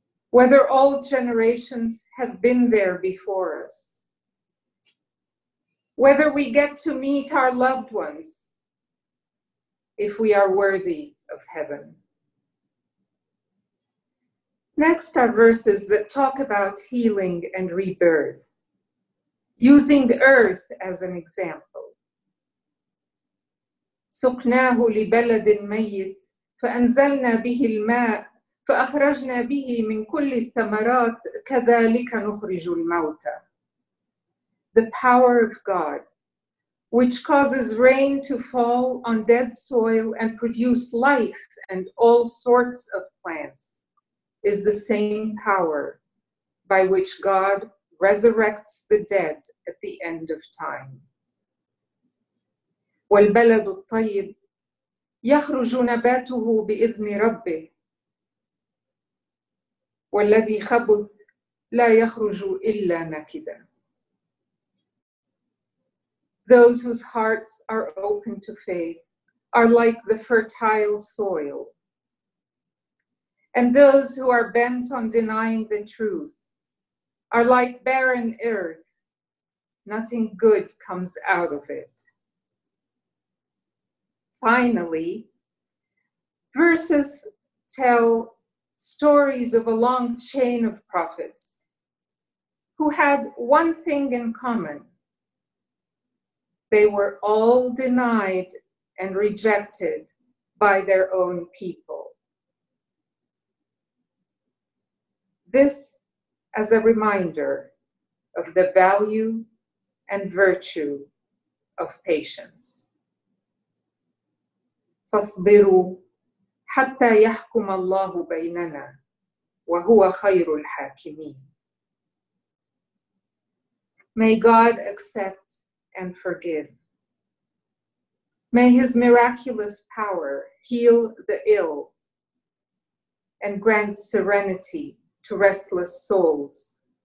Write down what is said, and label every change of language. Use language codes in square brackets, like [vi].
[en] Whether all generations have been there before us, whether we get to meet our loved ones, if we are worthy of heaven. Next are verses that talk about healing and rebirth, using earth as an example. [ar] سقناه لبلد ميت فأنزلنا به الماء فأخرجنا به من كل الثمرات كذلك نخرج الموتى. [en] The power of God, which causes rain to fall on dead soil and produce life and all sorts of plants, is the same power by which God resurrects the dead at the end of time. [ar] والبلد الطيب يخرج نباته بإذن ربه والذي خبث لا يخرج إلا نكدا. [en] Those whose hearts are open to faith are like the fertile soil. And those who are bent on denying the truth are like barren earth. Nothing good comes out of it. Finally, verses tell stories of a long chain of prophets who had one thing in common. They were all denied and rejected by their own people. This as a reminder of the value and virtue of patience. [ar] فاصبروا حتى يحكم الله بيننا وهو خير الحاكمين. [en] May God accept and forgive. May his miraculous power heal the ill and grant serenity to restless souls.